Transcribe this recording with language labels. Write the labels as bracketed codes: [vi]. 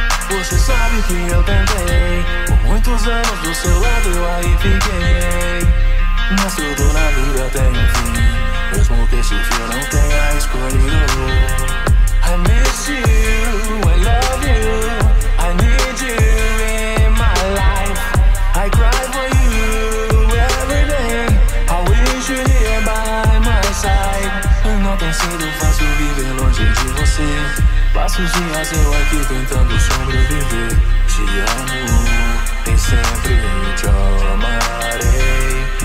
[pt] Você sabe que eu tentei. Por muitos anos do seu lado eu aí fiquei. Mas tudo na vida tem um fim. Mesmo que esse fim eu não tenha escolhido. [en] I miss you, I love you. I need you in my life. I cry for you every day. I wish you here by my side. [pt] Não tem sido fácil viver longe de você. Passo os dias eu aqui tentando sobreviver. Te amo, e sempre te amarei.